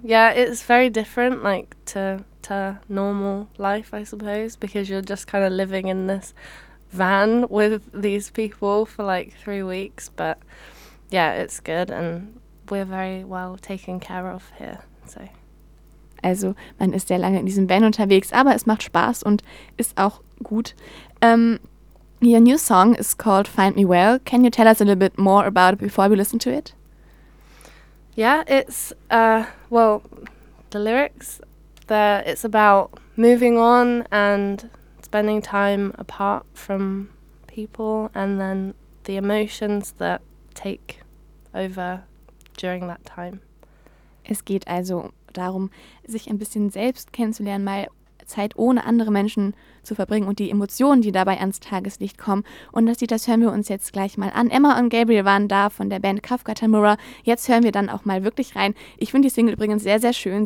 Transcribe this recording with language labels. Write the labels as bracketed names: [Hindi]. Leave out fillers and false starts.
[English] Yeah, it's very different like to normal life, I suppose, because you're just kind of living in this van with these people for like 3 weeks, but yeah, it's good and we're very well taken care of here. So, [German] also man ist sehr lange in diesem Van unterwegs, aber es macht Spaß und ist auch gut. [English] Your new song is called Find Me Well. Can you tell us a little bit more about it before we listen to it? Yeah, it's the lyrics, it's about moving on and spending time apart from people and then the emotions that take over during that time. [German] Es geht also darum, sich ein bisschen selbst kennenzulernen, mal Zeit ohne andere Menschen zu verbringen und die Emotionen, die dabei ans Tageslicht kommen. Und das hören wir uns jetzt gleich mal an. Emma und Gabriel waren da von der Band Kafka Tamura. Jetzt hören wir dann auch mal wirklich rein. Ich finde die Single übrigens sehr, sehr schön.